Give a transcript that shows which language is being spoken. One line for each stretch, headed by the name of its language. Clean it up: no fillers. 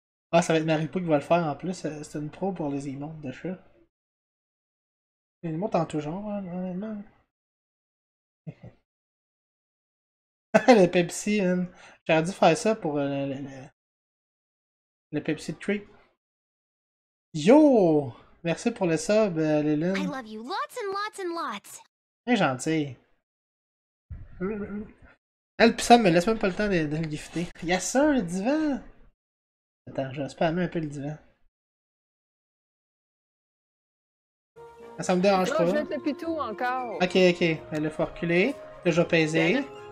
French: Ah, ça va être Maripou qui va le faire en plus. C'est une pro pour les emotes de chat. Les emotes en tout genre, honnêtement. Le Pepsi, hein. J'aurais dû faire ça pour le Pepsi Tree. Yo! Merci pour le sub, Lélin.
English: I love you lots and lots and lots.
French: Très gentil. Elle pis ça me laisse même pas le temps de le gifter. Y'a ça, le divan! Attends, je vais spammer un peu le divan. Ça me dérange pas. Je jette le pitou encore. Ok, ok. Elle faut reculer. Là, je vais peser.